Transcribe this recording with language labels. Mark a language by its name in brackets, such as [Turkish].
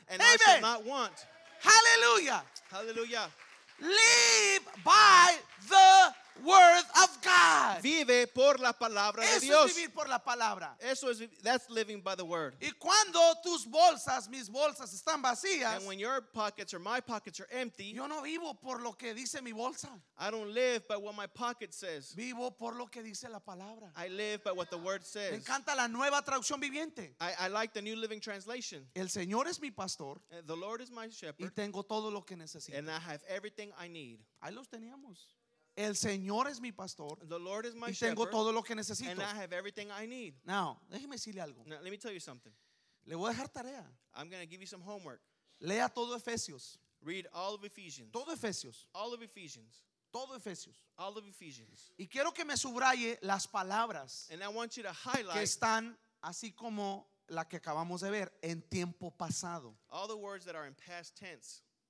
[English] Amen. Hallelujah. Hallelujah. Live by the word of God. [Spanish] Vive por la palabra Eso de Dios. Es vivir por la palabra. Eso es, [English] that's living by the word. [Spanish] Y cuando tus bolsas, mis bolsas están vacías. [English] And when your pockets or my pockets are empty. [Spanish] Yo no vivo por lo que dice mi bolsa. [English] I don't live by what my pocket says. [Spanish] Vivo por lo que dice la palabra. [English] I live by what the word says. [Spanish] Me encanta la nueva traducción viviente. [English] I like the New Living Translation. [Spanish] El Señor es mi pastor. [English] And the Lord is my shepherd. [Spanish] Y tengo todo lo que necesito. [English] And I have everything I need. [Spanish] Ahí los teníamos. El Señor es mi pastor [English] the Lord is my [Spanish] y tengo [English] shepherd, [Spanish] todo lo que necesito. [English] And I have everything I need. Now, [Spanish] déjeme decirle algo. [English] Now, let me tell you something. [Spanish] Le voy a dejar tarea. [English] I'm going to give you some homework. [Spanish] Lea todo Efesios. [English] Read all of Ephesians. [Spanish] Todo Efesios. [English] All of Ephesians. [Spanish] Todo Efesios. [English] All of Ephesians. [Spanish] Y quiero que me subraye las palabras [English] and I want you to highlight [Spanish] que están así como la que acabamos de ver en tiempo pasado. [English] All the words that are in past tense.